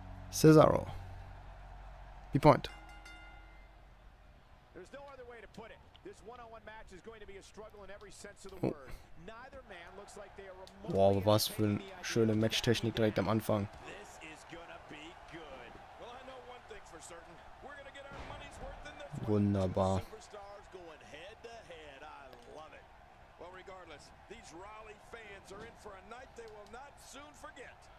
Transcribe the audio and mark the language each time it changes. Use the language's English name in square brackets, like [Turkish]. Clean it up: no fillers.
[English] Cesaro. Be point. There's no other way to put it. This one-on-one match is going to be a struggle in every sense of the word. Neither man looks like they are remotely. [German] Wow, was für eine schöne Matchtechnik direkt am Anfang. [English] This is gonna be good. Well, I know one thing for certain. We're gonna get our money's worth in this. [German] Wunderbar. [English] Superstars going head to head. I love it. Well, regardless, these Raleigh fans are in for a night they will not soon forget.